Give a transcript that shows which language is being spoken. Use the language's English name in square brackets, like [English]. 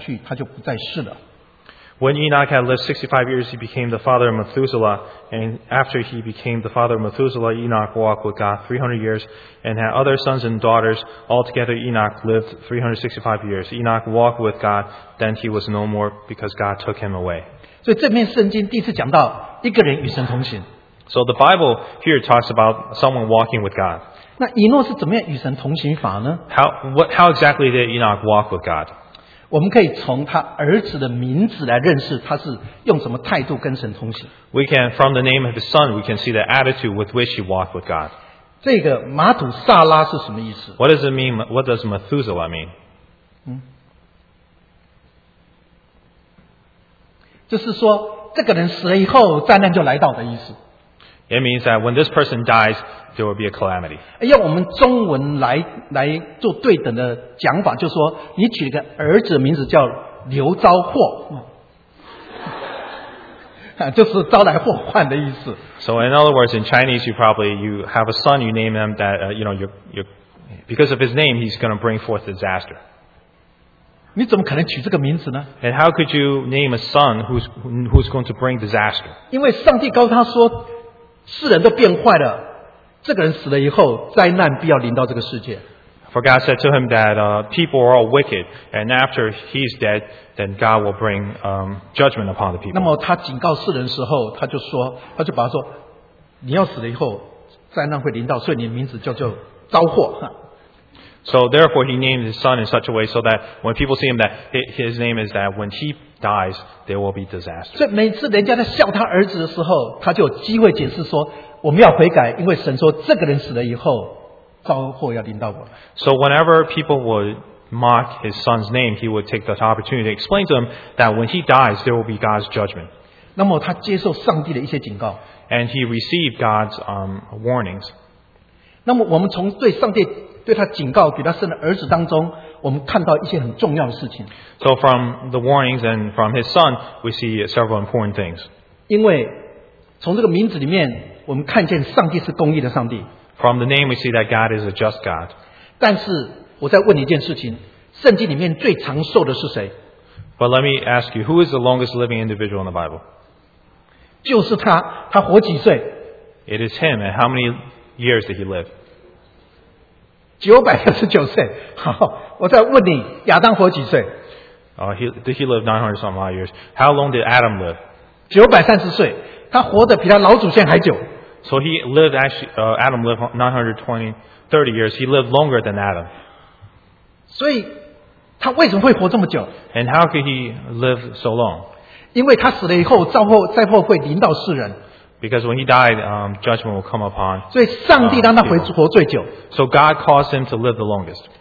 [Chinese] 他说，以诺活到六十五岁，生了马祖撒拉。以诺生马祖撒拉之后，与神同行三百年，并且生了养女。以诺共活了365岁。以诺与神同行，神将他娶去，他就不再世了。 [English] When Enoch had lived 65 years, he became the father of Methuselah. And after he became the father of Methuselah, Enoch walked with God 300 years. And had other sons and daughters. Altogether, Enoch lived 365 years. Enoch walked with God, then he was no more because God took him away. So the Bible here talks about someone walking with God. How exactly did Enoch walk with God? We can, from the name of his son, we can see the attitude with which he walked with God. [Chinese] 这个马祖撒拉是什么意思? [English] What does it mean? What does Methuselah mean? [Chinese] 就是说，这个人死了以后，灾难就来到的意思。 [English] It means that when this person dies, there will be a calamity. [Chinese] 用我们中文来做对等的讲法，就说你取个儿子名字叫刘招祸，就是招来祸患的意思。 [English] So in other words, in Chinese, you have a son, you name him that, you know, because of his name, he's going to bring forth disaster. [Chinese] 你怎么可能取这个名字呢？ [English] And how could you name a son who's going to bring disaster? [Chinese] 因为上帝告诉他说，世人都变坏了，这个人死了以后，灾难必要临到这个世界。 [English] For God said to him that people are all wicked, and after he's dead, then God will bring judgment upon the people. [Chinese] 那么他警告世人的时候，他就把他说，你要死了以后，灾难会临到，所以你的名字叫招祸。 [English] So therefore, he named his son in such a way so that when people see him, that his name is that when he dies, there will be disaster. [Chinese] 所以每次人家在笑他儿子的时候，他就有机会解释说，我们要悔改，因为神说这个人死了以后。 [English] So whenever people would mock his son's name, he would take this opportunity to explain to them that when he dies, there will be God's judgment. And he received God's warnings. [Chinese] 那么我们从对上帝对他警告给他生的儿子当中，我们看到一些很重要的事情。 [English] So from the warnings and from his son, we see several important things. [Chinese] 因为从这个名字里面，我们看见上帝是公义的上帝。 [English] From the name, we see that God is a just God. [Chinese] 但是我再问你一件事情，圣经里面最长寿的是谁？ [English] But let me ask you, who is the longest living individual in the Bible? [Chinese] 就是他，他活几岁？ [English] It is him, and how many years did he live? [Chinese] 969岁。好，我再问你，亚当活几岁？ [English] Did he live 900 some odd years? How long did Adam live? [Chinese] 930岁，他活得比他老祖先还久。 [English] So he lived actually, Adam lived 930 years. He lived longer than Adam. [Chinese] 所以他为什么会活这么久？ [English] And how could he live so long? [Chinese] 因为他死了以后，灾祸会临到世人。 [English] Because when he died, judgment will come upon. [Chinese] 所以上帝让他活最久。 [English] So God caused him to live the longest.